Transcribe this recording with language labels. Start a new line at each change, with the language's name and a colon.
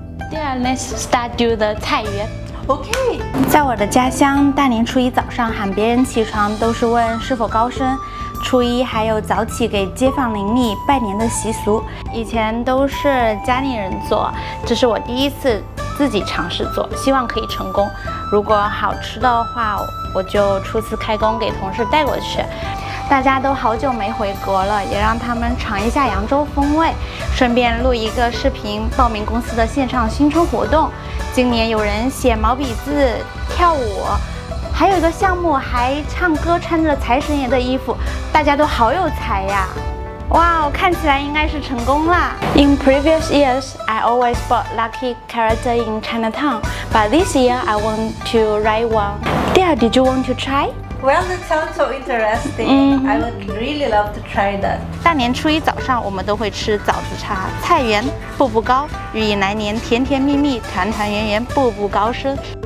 Chinese: 第二
English: ，let's start do the 菜园。 OK，
Chinese: 在我的家乡，大年初一早上喊别人起床都是问是否高升，初一还有早起给街坊邻里拜年的习俗，以前都是家里人做，这是我第一次自己尝试做，希望可以成功，如果好吃的话我就初次开工给同事带过去。大家都好久没回国了，也让他们尝一下扬州风味，顺便录一个视频报名公司的线上新春活动。今年有人写毛笔字、跳舞，还有一个项目还唱歌，穿着财神爷的衣服，大家都好有才呀。哇，看起来应该是成功了。
English: In previous years, I always bought lucky character in Chinatown, but this year I want to write one. Dear, did you want to try? Well, that sounds so interesting. I would really love to try that.
Chinese: 大年初一早上，我们都会吃枣子茶、菜圆、步步高，寓意来年甜甜蜜蜜、团团圆圆、步步高升。